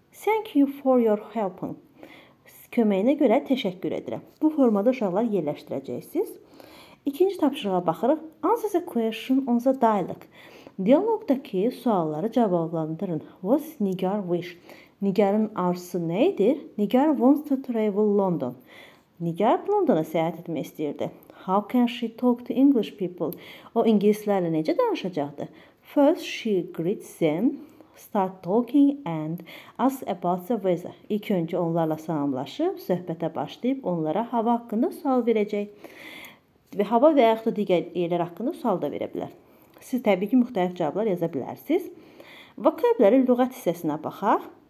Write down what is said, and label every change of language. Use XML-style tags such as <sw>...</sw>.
<en>Thank you for your helping.</en> <az>Köməyinə görə təşəkkür edirəm. Bu formada uşaqlar yerləşdirəcəksiniz. İkinci tapşırığa baxırıq.</az> <en>Answer the question on the dialogue.</en> <az>Dialogdakı sualları cavablandırın.</az> <en>What's Nigar wish?</en> <az>Nigar'ın arzusu nədir?</az> <en>Nigar wants to travel London.</en> <az>Nigar Londona səyahət etmək istəyirdi.</az> <en>How can she talk to English people?</en> <az>O ingilislərlə necə danışacaqdı?</az> <en>First she greets them. Start talking and ask about the weather.</en> <az>İlk öncə onlarla salamlaşıb, söhbətə başlayıb, onlara hava haqqında sual verəcək. Və hava və yaxud da digər yerlər haqqında sual da verə bilər. Siz təbii ki, müxtəlif cavablar yaza bilərsiniz. Vokabuləri lüğət hissəsinə baxaq.</az>